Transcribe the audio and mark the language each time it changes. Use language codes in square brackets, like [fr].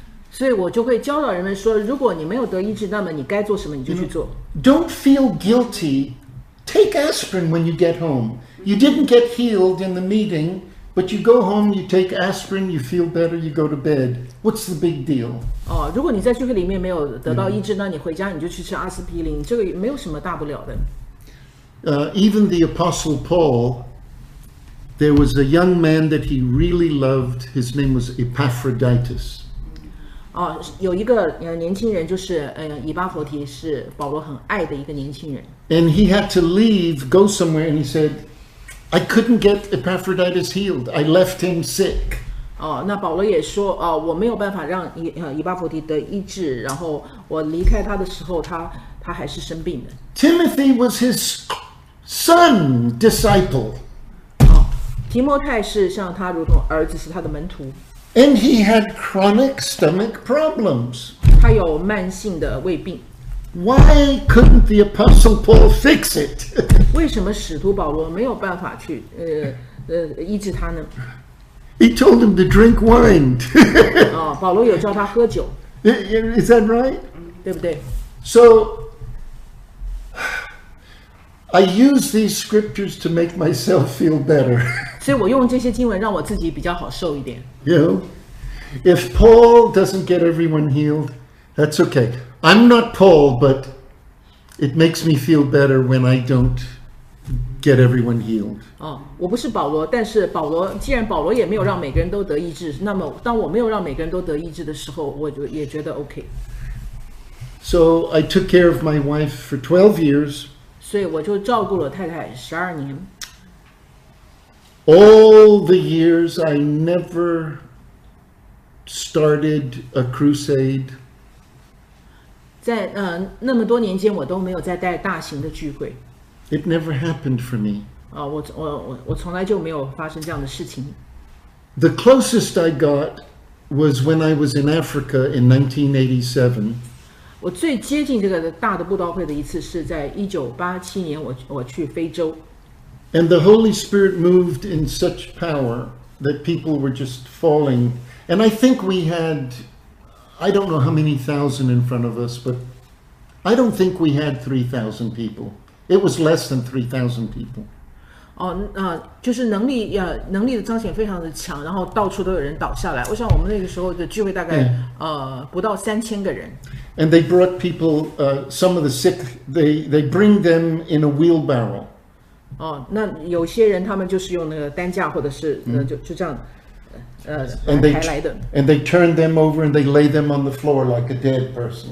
[zh] 所以我就会教导人们说，如果你没有得医治，那么你该做什么你就去做。 [en] Don't feel guilty. Take aspirin when you get home. You didn't get healed in the meeting, but you go home, you take aspirin, you feel better, you go to bed. What's the big deal? [zh] Oh, 如果你在聚会里面没有得到医治，那你回家你就去吃阿司匹林，这个没有什么大不了的。 [en] Even the Apostle Paul, there was a young man that he really loved. His name was Epaphroditus. [zh] 有一个年轻人，就是以巴弗提，是保罗很爱的一个年轻人。 [en] And he had to leave, go somewhere, and he said, "I couldn't get Epaphroditus healed. I left him sick." [zh] 那保罗也说，我没有办法让以巴弗提得医治，然后我离开他的时候，他还是生病的。 [en] Timothy was his son, disciple. [zh] 提摩太是像他如同儿子，是他的门徒。 [en] And he had chronic stomach problems. [zh] 他有慢性的胃病。 [en] Why couldn't the Apostle Paul fix it? [zh] 为什么使徒保罗没有办法去医治他呢？ [en] He told him to drink wine. [zh] 保罗有叫他喝酒。 [en] Is that right? [zh] 对不对？ [en] So, I use these scriptures to make myself feel better. [zh] 所以我用这些经文让我自己比较好受一点。 [en] You know, if Paul doesn't get everyone healed, that's okay. I'm not Paul, but it makes me feel better when I don't get everyone healed. [zh] 我不是保罗，但是保罗，既然保罗也没有让每个人都得医治，那么当我没有让每个人都得医治的时候，我也觉得 OK. [en] So I took care of my wife for 12 years. [zh] 所以我就照顾了太太12年。 [en] All the years I never started a crusade. [zh] 在那么多年间，我都没有再带大型的聚会。 [en] It never happened for me. [zh] 我从来就没有发生这样的事情。 [en] The closest I got was when I was in Africa in 1987. [zh] 我最接近这个大的布道会的一次是在1987年，我去非洲。 [en] And the Holy Spirit moved in such power that people were just falling. And I think we had, I don't know how many thousand in front of us, but I don't think we had 3,000 people. It was less than 3,000 people. [zh] 就是能力的彰显非常的强，然后到处都有人倒下来。我想我们那个时候的聚会大概不到3000个人。 [en] And they brought people, some of the sick, they bring them in a wheelbarrow. [zh] 那有些人他们就是用那个担架或者是就这样抬来的。 [en] And they turn them over and they lay them on the floor like a dead person.